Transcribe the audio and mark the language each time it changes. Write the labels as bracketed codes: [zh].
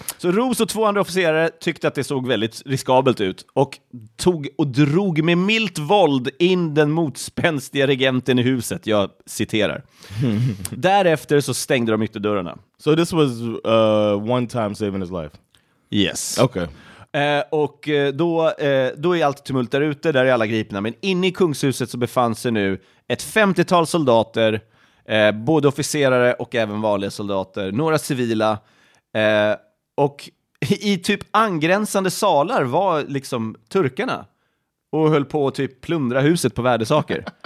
[sv] Så Ros och två andra officerare tyckte att det såg väldigt riskabelt ut och tog och drog med milt våld in den motspänstiga regenten i huset. Jag citerar. Därefter så stängde de ytterdörrarna. [en] So this was one time saving his life. Yes. Okay. [sv] Och då är allt tumult där ute, där är alla gripna. Men inne i kungshuset så befann sig nu ett 50-tal soldater, både officerare och även vanliga soldater, några civila. Och i typ angränsande salar var liksom turkarna och höll på att typ plundra huset på värdesaker.